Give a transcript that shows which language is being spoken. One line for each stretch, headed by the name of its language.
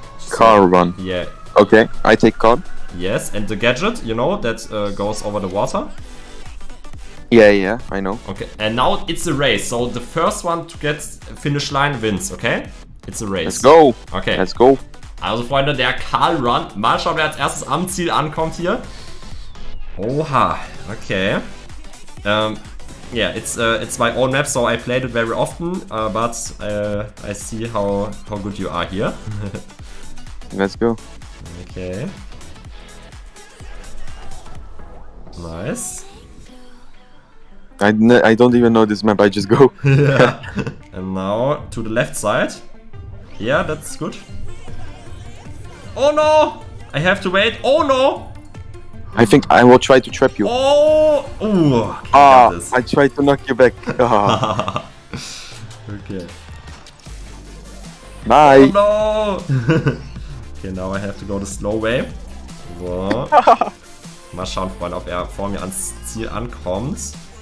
English: Car run. Yeah. Okay, I take car. Yes, and the gadget, you know, that goes over the water. Yeah, I know. Okay, and now it's a race. So the first one to get finish line wins, okay? It's a race. Let's go. Okay. Let's go.
German: Also, Freunde, der Car Run. Mal schauen, wer als erstes am Ziel ankommt hier. Oha, okay.
English: Yeah, it's my own map, so I played it very often, but I see how good you are here. Let's go. Okay. Nice. I don't even know this map, I just go. Yeah. And now to the left side. Yeah, that's good. Oh no! I have to wait. Oh no! I think I will try to trap you. Oh! Ooh, I tried to knock you back. Okay. Bye! Oh no! Okay, now I have to go the slow way.
German: Mal schauen, Freunde, ob er vor mir ans Ziel ankommt.